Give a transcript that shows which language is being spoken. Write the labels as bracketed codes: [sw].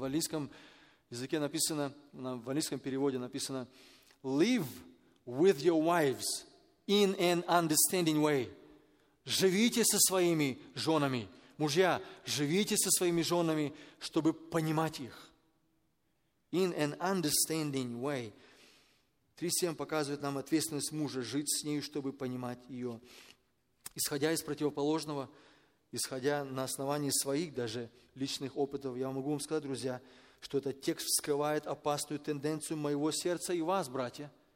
[ru] В английском языке написано, в английском переводе написано [en] live with your wives in an understanding way. [ru] Живите со своими женами. Мужья, живите со своими женами, чтобы понимать их. [en] In an understanding way. [ru] 3:7 показывает нам ответственность мужа жить с нею, чтобы понимать ее. Исходя из противоположного, исходя на основании своих даже личных опытов, я могу вам сказать, друзья, что этот текст вскрывает опасную тенденцию моего сердца и вас, братья.